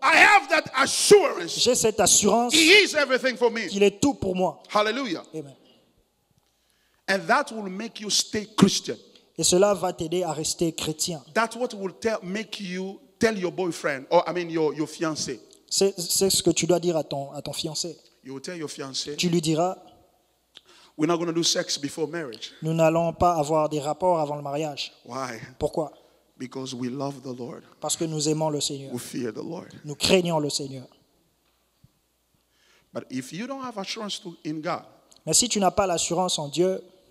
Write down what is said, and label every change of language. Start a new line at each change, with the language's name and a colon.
English: I have that assurance.
French: J'ai cette assurance.
English: He is everything for me.
French: Il est tout pour moi.
English: Hallelujah. Amen. And that will make you stay Christian.
French: Et cela va t'aider à rester chrétien.
English: That's what will make you tell your boyfriend, or I mean your fiancé.
French: C'est ce que tu dois dire à ton fiancé.
English: You will tell your fiancé.
French: Tu lui diras,
English: we're not going to do sex before marriage.
French: Nous n'allons pas avoir des rapports avant le mariage.
English: Why?
French: Pourquoi?
English: Because we love the Lord.
French: Parce que nous aimons le Seigneur.
English: We fear the Lord.
French: Nous craignons le Seigneur.
English: But if you don't have assurance in God,
French: mais si tu n'as pas l'assurance en Dieu,